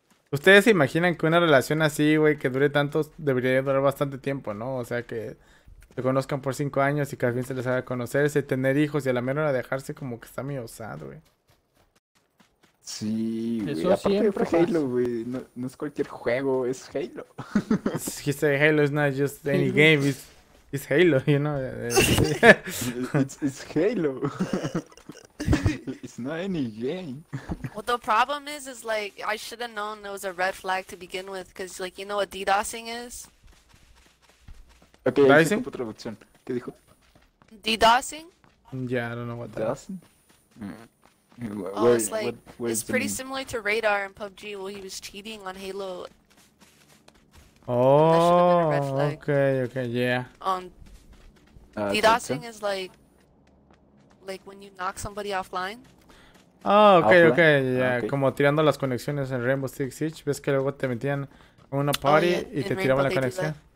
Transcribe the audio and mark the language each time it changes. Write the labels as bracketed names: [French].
[Spanish] Ustedes se imaginan que una relación así, güey, que dure tanto, debería durar bastante tiempo, ¿no? O sea, que se conozcan por 5 años y que al fin se les haga conocerse, tener hijos y a la mera hora dejarse como que está medio sad, güey. Sí, güey. Aparte de Halo, güey, no es cualquier juego, es Halo. [English] He said Halo is not just any game, it's Halo, you know? it's Halo. It's not any game. Well, the problem is like, I should have known there was a red flag to begin with, because, like, you know what DDoSing is? [Spanish] Okay, ahí se ocupó traducción. ¿Qué dijo? [English] DDoSing? Yeah, I don't know what that DDoSing? Mm. Oh, it's like, it's pretty similar to Radar in PUBG, where he was cheating on Halo. that should have been a red flag. Okay, yeah. DDoSing is like, like when you knock somebody offline. Oh, okay, offline? Okay, yeah. Okay. [Spanish] Como tirando las conexiones en Rainbow Six Siege. Ves que luego te metían en una party y te tiraban la conexión.